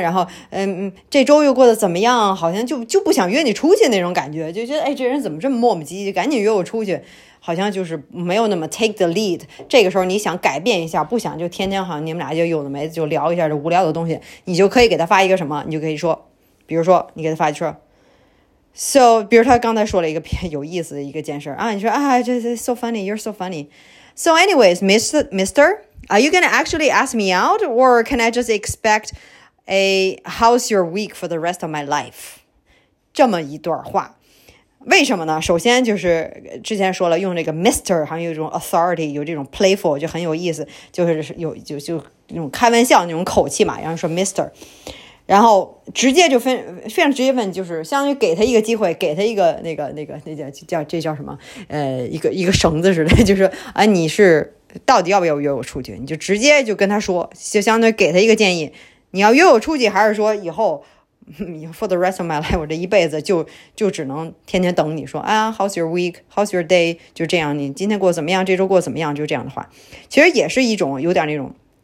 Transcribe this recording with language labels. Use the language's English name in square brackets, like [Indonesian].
[Chinese] 然后这周又过得怎么样？好像就不想约你出去那种感觉，就觉得哎，这人怎么这么磨磨唧唧？赶紧约我出去，好像就是没有那么 [English] take the lead。 [Chinese] 这个时候你想改变一下，不想就天天好像你们俩就有的没的就聊一下这无聊的东西，你就可以给他发一个什么？你就可以说，比如说你给他发一说。 So, 比如他刚才说了一个有意思的一个件事啊，你说啊，这是 [English] so funny, you're so funny. So anyways, mister, are you going to actually ask me out or can I just expect a how's your week for the rest of my life? [Chinese] 这么一段话。为什么呢？首先就是之前说了用这个 mister, 好像有一种 authority, 有这种 playful, 就很有意思，就是有就那种开玩笑那种口气嘛，然后说 mister。然后直接就非常直接问，就是相当于给他一个机会，给他一个那叫什么一个绳子似的，就是啊，你是到底要不要约我出去，你就直接就跟他说，就相当于给他一个建议，你要约我出去还是说以后 [English] for the rest of my life, [Chinese] 我这一辈子就只能天天等你说啊 [English] how's your week, how's your day, [Chinese] 就这样，你今天过怎么样，这周过怎么样，就这样的话，其实也是一种有点那种